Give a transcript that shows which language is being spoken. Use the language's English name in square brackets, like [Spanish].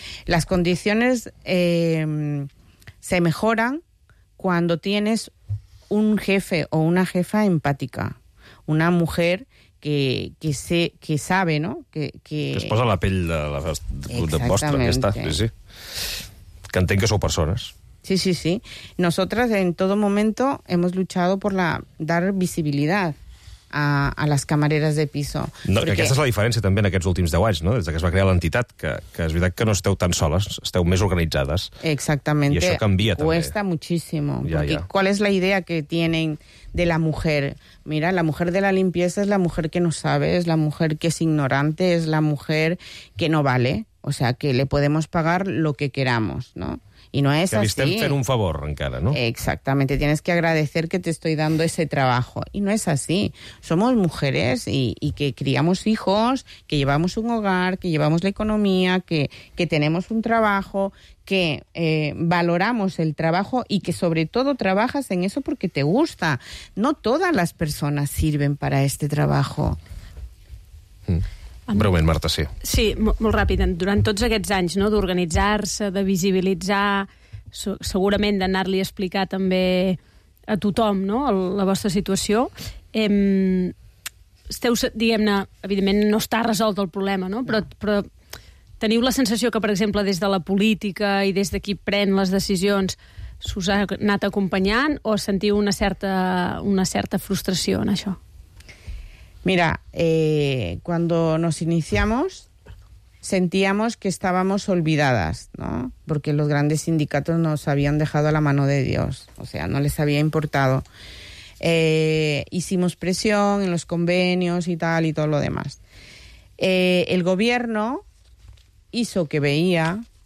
[Spanish] Las condiciones se mejoran cuando tienes un jefe o una jefa empática, una mujer que sabe, ¿no? Que [Catalan] es posa la pell de la de vostra, que està, sí, sí. Que entenc que sou persones. Sí, sí, sí. [Spanish] Nosotras en todo momento hemos luchado por dar visibilidad a las camareras de piso. [Catalan] No, perquè aquesta és la diferència també en aquests últims 10 anys, no? Des que es va crear l'entitat, que és veritat que no esteu tan soles, esteu més organitzades. Exactament. I això canvia també. [Spanish] Cuesta muchísimo. [Catalan] Ja, [Spanish] porque ja. ¿Cuál es la idea que tienen de la mujer? Mira, la mujer de la limpieza es la mujer que no sabe, es la mujer que es ignorante, es la mujer que no vale. O sea, que le podemos pagar lo que queramos, ¿no? Y no es que así. [Catalan] Que li estem fent un favor encara, ¿no? [Spanish] Exactamente. Tienes que agradecer que te estoy dando ese trabajo. Y no es así. Somos mujeres y que criamos hijos, que llevamos un hogar, que llevamos la economía, que tenemos un trabajo, que valoramos el trabajo y que sobre todo trabajas en eso porque te gusta. No todas las personas sirven para este trabajo. [Catalan] Breument, Marta, sí. Sí, molt ràpid. Durant tots aquests anys, no?, d'organitzar-se, de visibilitzar, segurament d'anar-li a explicar també a tothom, no?, la vostra situació, esteu, diguem-ne, evidentment no està resolt el problema, no? Però teniu la sensació que, per exemple, des de la política i des de qui pren les decisions s'us ha anat acompanyant o sentiu una certa frustració en això? [Spanish] Mira, cuando nos iniciamos sentíamos que estábamos olvidadas, ¿no? Porque los grandes sindicatos nos habían dejado a la mano de Dios, o sea, no les había importado. Hicimos presión en los convenios y tal y todo lo demás. El gobierno hizo que veía